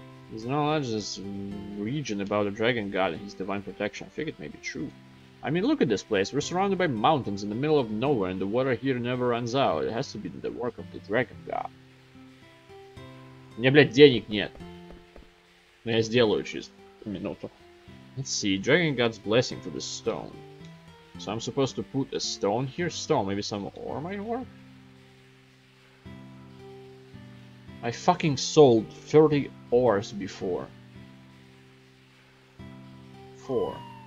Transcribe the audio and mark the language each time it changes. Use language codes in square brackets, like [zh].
[en] There's knowledge in this region about a dragon god and his divine protection. I think it may be true. I mean, look at this place. We're surrounded by mountains in the middle of nowhere, and the water here never runs out. It has to be the work of the Dragon God. [ru] У меня, блядь, денег нет. Но я сделаю через минуту. [en] Let's see. Dragon God's blessing for the stone. So I'm supposed to put a stone here? Stone, maybe some ore might work? I fucking sold 30 ores before. 4.